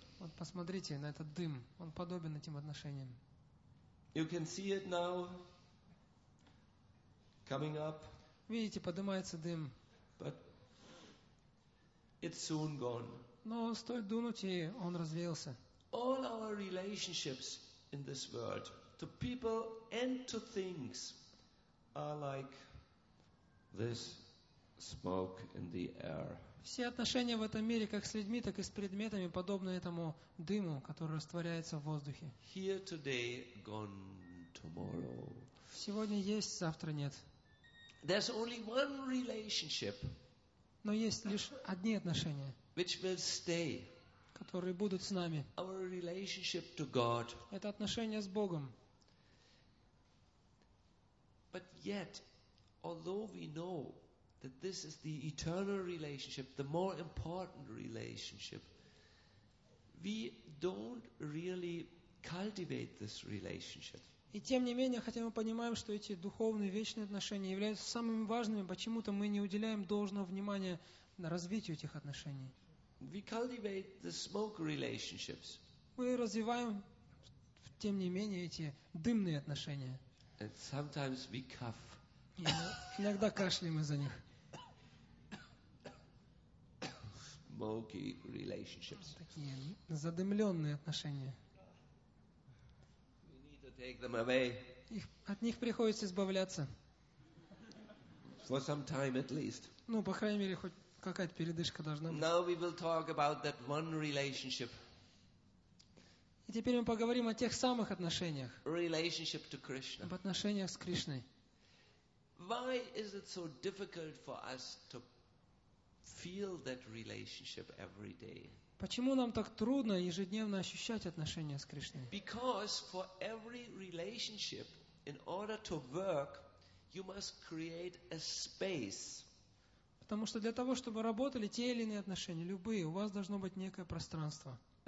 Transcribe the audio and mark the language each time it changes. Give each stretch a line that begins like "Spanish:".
Russian: Вот посмотрите на этот дым. Он подобен этим отношениям.
English: You can see it now. Coming up.
Russian: Видите, поднимается дым.
English: But it's soon gone.
Russian: Но стоит дунуть, и он развеялся.
English: All our relationships in this world, to people and to things, are like this. Smoke in the air.
Russian: Все отношения в этом мире, как с людьми, так и с предметами, подобны этому дыму, который растворяется в воздухе.
English: Here today, gone tomorrow.
Russian: Сегодня есть, завтра нет.
English: There's only one relationship.
Russian: Но есть лишь одни отношения.
English: Which will stay.
Russian: Которые будут с нами.
English: Our relationship to God.
Russian: Это отношения с Богом.
English: But yet, although we know that this is the eternal relationship, the more important relationship, we don't really cultivate this relationship.
Russian: И тем не менее, хотя мы понимаем, что эти духовные вечные отношения являются самыми важными, почему-то мы не уделяем должного внимания на развитие этих отношений.
English: We cultivate the smoke relationships.
Russian: Мы развиваем, тем не менее, эти дымные отношения.
English: And sometimes we cough.
Russian: И иногда кашляем из-за них.
English: Smoky relationships.
Russian: Такие задымленные отношения.
English: We need to take them away.
Russian: От них приходится избавляться.
English: For some time at least.
Russian: Ну, по крайней мере, хоть какая-то передышка должна быть.
English: Now we will talk about that one relationship.
Russian: И теперь мы поговорим о тех самых отношениях.
English: Relationship to Krishna.
Russian: Об отношениях с Кришной.
English: why is it so difficult for us to feel that relationship every day?
Russian: Почему нам так трудно ежедневно ощущать отношения с Кришной?
English: Because for every relationship, in order to work, you must create a space.
Russian: Потому что для того, чтобы работали те или иные отношения, любые, у вас должно быть некое пространство.